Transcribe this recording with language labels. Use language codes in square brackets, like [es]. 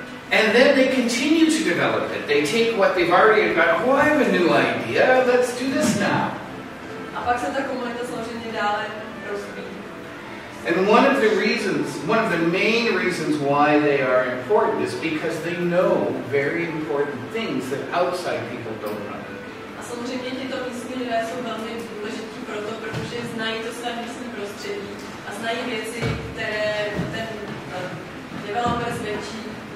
[en] And then they continue to develop it. They take what they've already got. Oh, I have a new idea. Let's do this now. [cs] A pak se ta komunita samozřejmě dále rozvíjí. [en] And one of the reasons, one of the main reasons why they are important is because they know very important things that outside people don't know. [cs] A samozřejmě tyto místní lidé jsou velmi důležití proto, protože znají to své místní prostředí a znají věci, které ten developer zvětší.